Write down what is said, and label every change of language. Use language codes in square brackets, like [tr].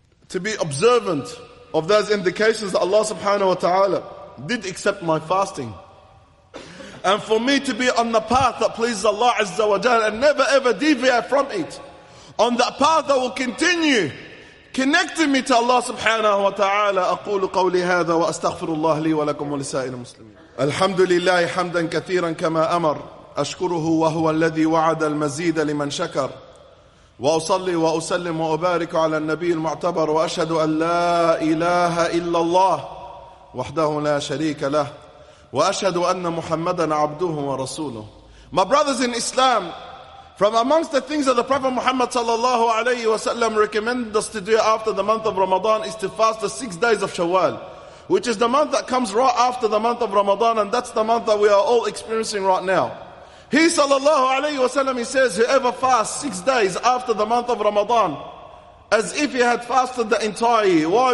[en] To be observant of those indications that Allah subhanahu wa ta'ala did accept my fasting. And for me to be on the path that pleases Allah azza wa jal and never ever deviate from it. On that path that will continue connecting me to Allah subhanahu wa ta'ala. [ar] أقول قولي هذا وأستغفر الله لي ولكم ولسائر المسلمين. الحمد لله حمدا كثيرا كما أمر. أشكره وهو الذي وعد المزيد لمن شكر. وأصلي وأسلم وأبارك على النبي المعتبر وأشهد أن لا إله إلا الله وحده لا شريك له وأشهد أن محمدا عبده ورسوله. [en] My brothers in Islam, from amongst the things that the Prophet Muhammad sallallahu alayhi wa sallam recommended us to do after the month of Ramadan is to fast the 6 days of Shawwal, which is the month that comes right after the month of Ramadan, and that's the month that we are all experiencing right now. He sallallahu alayhi wa sallam, he says, whoever fasts 6 days after the month of Ramadan, as if he had fasted the entire year. Why?